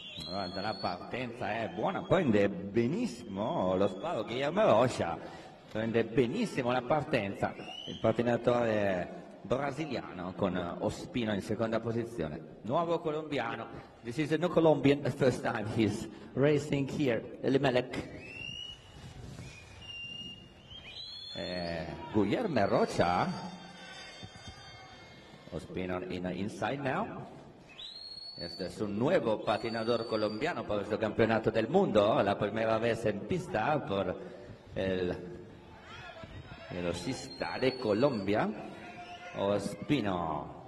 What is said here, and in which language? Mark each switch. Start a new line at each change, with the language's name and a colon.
Italian: La partenza è buona, prende benissimo lo sparo Guillermo Rocha, prende benissimo la partenza il patinatore brasiliano con Ospino in seconda posizione, nuovo colombiano.
English: This is a new Colombian, the first time he's racing here, Elimelech. Guillermo Rocha, Ospino in inside now.
Spanish: Este es un nuevo patinador colombiano por este campeonato del mundo, la primera vez en pista por el velocista de Colombia, Ospino.